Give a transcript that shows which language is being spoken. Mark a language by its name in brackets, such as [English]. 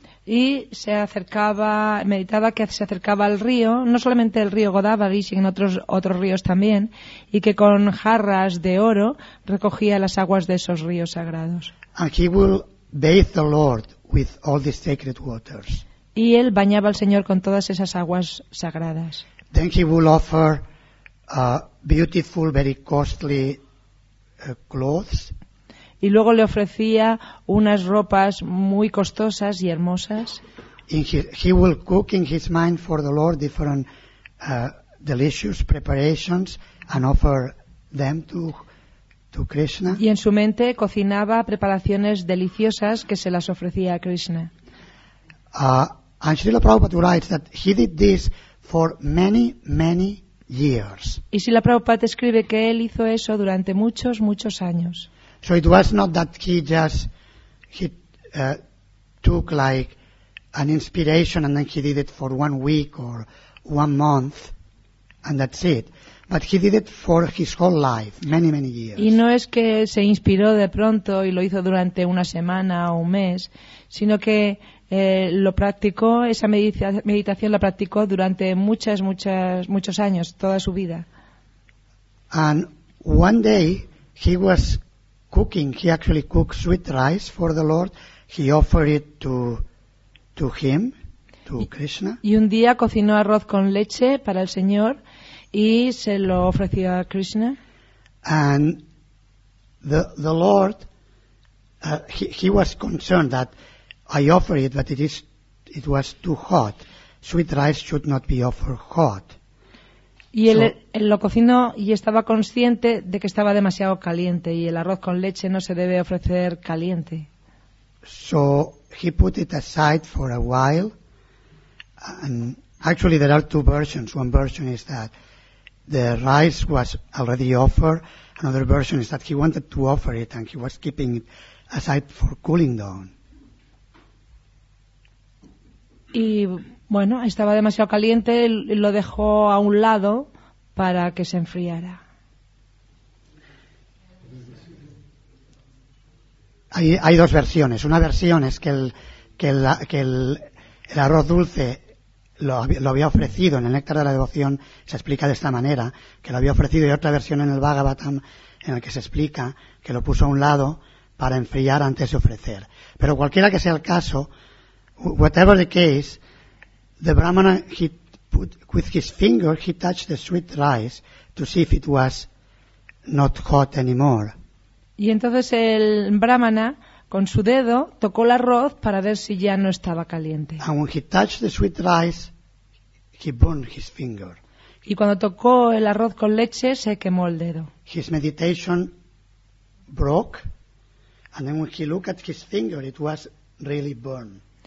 [Spanish] Y se acercaba, meditaba que se acercaba al río, no solamente el río Godavari, sino otros ríos también, y que con jarras de oro recogía las aguas de esos ríos sagrados. [English] And he will bathe the Lord with all the sacred waters. [Spanish] Y él bañaba al Señor con todas esas aguas sagradas. [English] Then he will offer beautiful, very costly clothes. [Spanish] Y luego le ofrecía unas ropas muy costosas y hermosas. [English] He will cook in his mind for the Lord different delicious preparations and offer them to Krishna. [Spanish] Y en su mente cocinaba preparaciones deliciosas que se las ofrecía a Krishna. [English] And Srila Prabhupada writes that he did this for many, many years. [Spanish] Y Srila Prabhupada escribe que él hizo eso durante muchos, muchos años. [English] So it was not that he just he took like an inspiration and then he did it for 1 week or 1 month and that's it. But he did it for his whole life, many, many years. [Spanish] Y no es que se inspiró de pronto y lo hizo durante una semana o un mes, sino que lo practicó, esa meditación la practicó durante muchos años, toda su vida. [English] And one day he was cooking, he actually cooked sweet rice for the Lord, he offered it to him, to Krishna. [Spanish] Y un día cocinó arroz con leche para el Señor y se lo ofreció a Krishna. [English] And the Lord, he was concerned that I offer it, but it was too hot. Sweet rice should not be offered hot. [Spanish] Y él lo cocinó y estaba consciente de que estaba demasiado caliente y el arroz con leche no se debe ofrecer caliente. [English] So he put it aside for a while. And actually, there are two versions. One version is that the rice was already offered. Another version is that he wanted to offer it and he was keeping it aside for cooling down. [Spanish] Y bueno, estaba demasiado caliente y lo dejó a un lado para que se enfriara. Hay dos versiones. Una versión es que el arroz dulce lo había ofrecido en el néctar de la devoción, se explica de esta manera, que lo había ofrecido, y otra versión en el Bhagavatam en el que se explica que lo puso a un lado para enfriar antes de ofrecer. Pero cualquiera que sea el caso, [English] whatever the case, the Brahmana, he put with his finger, he touched the sweet rice to see if it was not hot anymore. [Spanish] Y entonces el Brahmana, con su dedo, tocó el arroz para ver si ya no estaba caliente. [English] And when he touched the sweet rice, he burned his finger. [Spanish] Y cuando tocó el arroz con leche, se quemó el dedo. [English] His meditation broke, and then when he looked at his finger, it was really burned.